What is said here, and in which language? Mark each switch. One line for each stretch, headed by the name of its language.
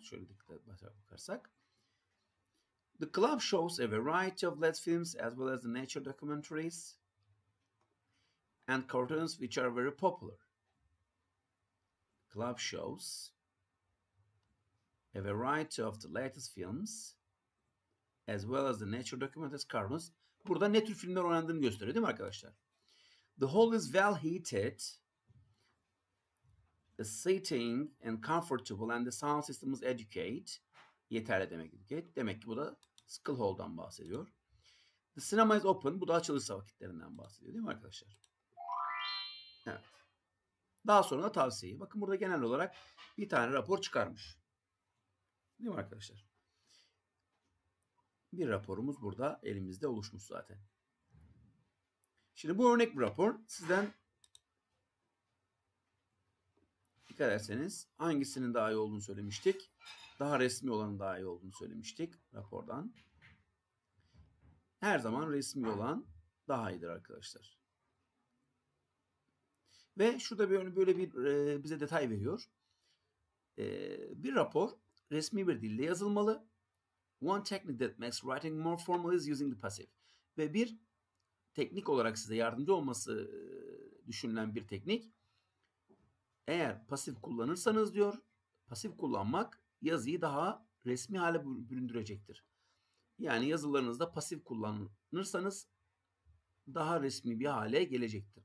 Turkish: Şöyle dikkatle bakarsak.
English: The club shows a variety of lead films as well as the nature documentaries and cartoons which are very popular. Club shows a variety of the latest films as well as the nature documentaries cartoons.
Turkish: Burada ne tür filmler oynandığını gösteriyor değil mi arkadaşlar?
English: The hall is well heated. The seating and comfortable and the sound system is educate.
Turkish: Yeterli demek ki. Demek ki bu da school hall'dan bahsediyor.
English: The cinema is open.
Turkish: Bu da açılış vakitlerinden bahsediyor değil mi arkadaşlar? Evet. Daha sonra da tavsiye. Bakın burada genel olarak bir tane rapor çıkarmış. Değil mi arkadaşlar? Bir raporumuz burada elimizde oluşmuş zaten. Şimdi bu örnek bir rapor. Sizden dikkat ederseniz hangisinin daha iyi olduğunu söylemiştik. Daha resmi olanın daha iyi olduğunu söylemiştik rapordan. Her zaman resmi olan daha iyidir arkadaşlar. Ve şurada böyle bir bize detay veriyor. Bir rapor resmi bir dille yazılmalı.
English: One technique that makes writing more formal is using the passive.
Turkish: Ve bir teknik olarak size yardımcı olması düşünülen bir teknik. Eğer pasif kullanırsanız diyor, pasif kullanmak yazıyı daha resmi hale büründürecektir. Yani yazılarınızda pasif kullanırsanız daha resmi bir hale gelecektir.